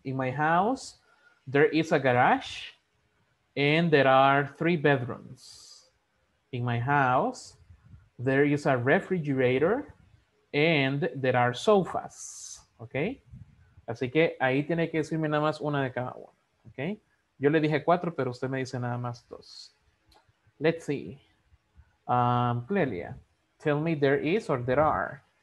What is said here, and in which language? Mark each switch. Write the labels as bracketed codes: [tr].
[en] In my house, there is a garage and there are three bedrooms. In my house, there is a refrigerator and there are sofas. Okay? [es] Así que ahí tiene que decirme nada más una de cada uno. Okay? Yo le dije cuatro, pero usted me dice nada más dos. [en] Let's see. Clelia, tell me there is or there are.